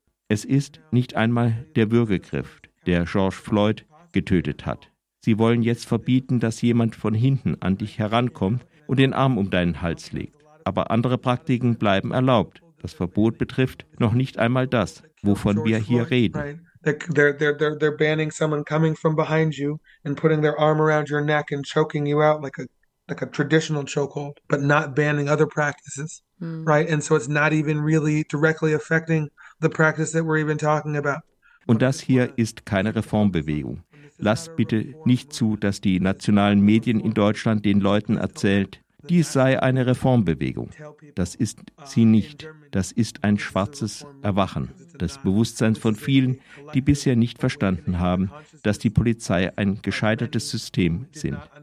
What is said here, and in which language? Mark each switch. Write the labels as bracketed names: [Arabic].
[German] Es ist nicht einmal der Würgegriff, der George Floyd getötet hat. Sie wollen jetzt verbieten, dass jemand von hinten an dich herankommt und den Arm um deinen Hals legt. Aber andere Praktiken bleiben erlaubt. Das Verbot betrifft noch nicht einmal das, wovon wir hier reden. [English] They're banning someone coming from behind you and putting their arm around your neck and choking you out like a traditional chokehold, but not banning other practices, right? And so it's not even really directly affecting the practice that we're even talking about. [German] Und das hier ist keine Reformbewegung. lasst bitte nicht zu, dass die nationalen Medien in Deutschland den Leuten erzählt, dies sei eine Reformbewegung. Das ist sie nicht. Das ist ein schwarzes Erwachen. Das Bewusstsein von vielen, die bisher nicht verstanden haben, dass die Polizei ein gescheitertes System sind.